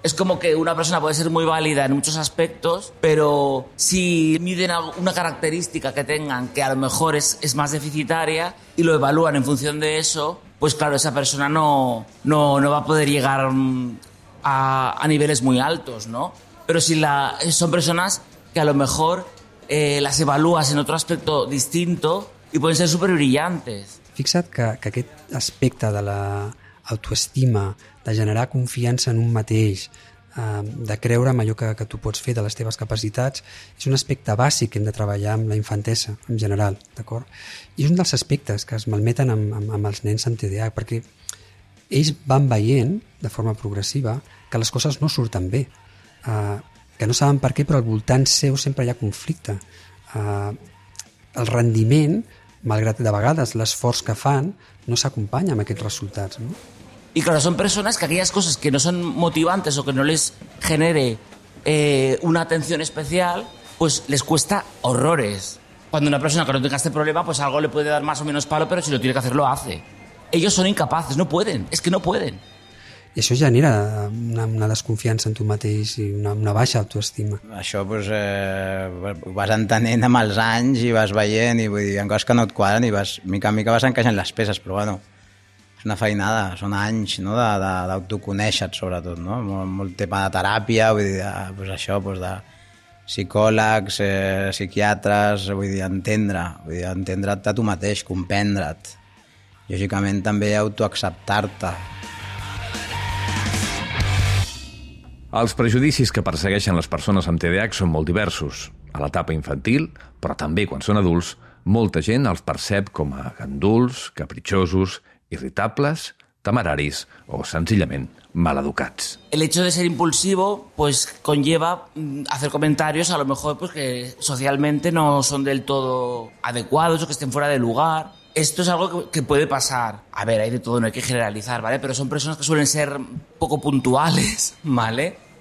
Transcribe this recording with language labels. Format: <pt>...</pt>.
<es>Es como que una persona puede ser muy válida en muchos aspectos, pero si miden una característica que tengan que a lo mejor es más deficitaria y lo evalúan en función de eso, pues claro, esa persona no va a poder llegar a niveles muy altos, ¿no? Pero si son personas que a lo mejor las evalúas en otro aspecto distinto y pueden ser súper brillantes.</es> <ca>Fixa't que aquest aspecte de l'autoestima, de generar confiança en un mateix, de creure en allò que tu pots fer, de les teves capacitats, és un aspecte bàsic que hem de treballar amb la infantesa en general, d'acord? I és un dels aspectes que es malmeten amb els nens amb TDA, perquè ells van veient, de forma progressiva, que les coses no surten bé, que no saben per què, però al voltant seu sempre hi ha conflicte. El rendiment, malgrat de vegades l'esforç que fan, no s'acompanya amb aquests resultats, no?</ca> <es>Y claro, son personas que aquellas cosas que no son motivantes o que no les genere una atención especial, pues les cuesta horrores. Cuando una persona que no tenga este problema, pues algo le puede dar más o menos palo, pero si lo tiene que hacer, lo hace. Ellos son incapaces, no pueden, es que no pueden.</es> <ca>I això genera una desconfiança en tu mateix i una baixa autoestima. Això, pues, ho vas entenent amb els anys i vas veient, i vull dir, hi ha coses que no et quadren i vas, mica en mica vas encaixant les peces, però bueno, és una feinada, són anys, no, d'autoconèixer-te, sobretot, no? Molt tema de teràpia, vull dir, pues això, pues de psicòlegs, psiquiatres, vull dir, entendre't a tu mateix, comprendre't. Lògicament, també autoacceptar-te. Els prejudicis que persegueixen les persones amb TDAH són molt diversos. A l'etapa infantil, però també quan són adults, molta gent els percep com a ganduls, capritxosos, irritables, temeraris o senzillament maleducats.</ca> <es>El hecho de ser impulsivo pues conlleva hacer comentarios a lo mejor pues que socialmente no son del todo adecuados o que estén fuera de lugar. Esto es algo que puede pasar. A ver, hay de todo, no hay que generalizar, ¿vale? Pero son personas que suelen ser poco puntuales, ¿vale?</es>